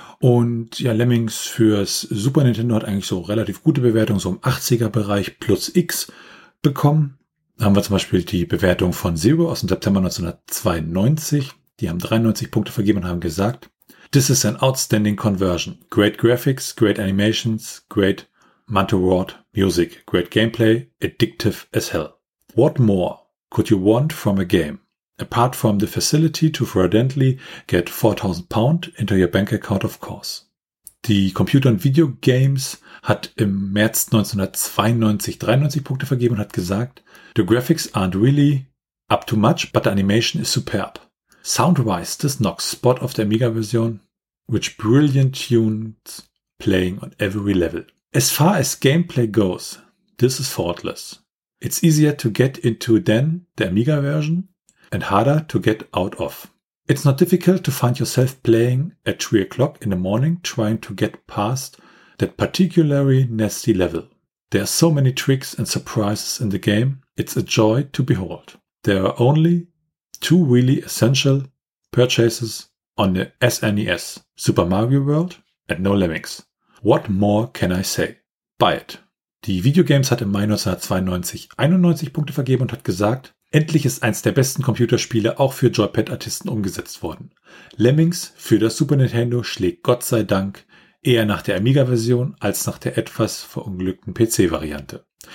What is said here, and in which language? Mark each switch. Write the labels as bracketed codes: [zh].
[de] Und ja, Lemmings fürs Super Nintendo hat eigentlich so relativ gute Bewertungen, so im 80er-Bereich plus X bekommen. Da haben wir zum Beispiel die Bewertung von Zero aus dem September 1992. Die haben 93 Punkte vergeben und haben gesagt, [en] "This is an outstanding conversion. Great graphics, great animations, great Manta-Ward music, great gameplay, addictive as hell. What more could you want from a game? Apart from the facility to fraudulently get 4000 pound into your bank account, of course." [de] Die Computer- und Videogames hat im März 1992 93 Punkte vergeben und hat gesagt, [en] "The graphics aren't really up to much, but the animation is superb. Sound-wise, this knocks spot of the Amiga-Version, which brilliant tunes playing on every level. As far as gameplay goes, this is faultless. It's easier to get into than the Amiga-Version, and harder to get out of. It's not difficult to find yourself playing at 3 o'clock in the morning trying to get past that particularly nasty level. There are so many tricks and surprises in the game, it's a joy to behold. There are only two really essential purchases on the SNES, Super Mario World and No Lemmings. What more can I say? Buy it." [de] Die Videogames hat im Mai 1992 91 Punkte vergeben und hat gesagt, "Endlich ist eins der besten Computerspiele auch für Joypad-Artisten umgesetzt worden. Lemmings für das Super Nintendo schlägt Gott sei Dank eher nach der Amiga-Version als nach der etwas verunglückten PC-Variante.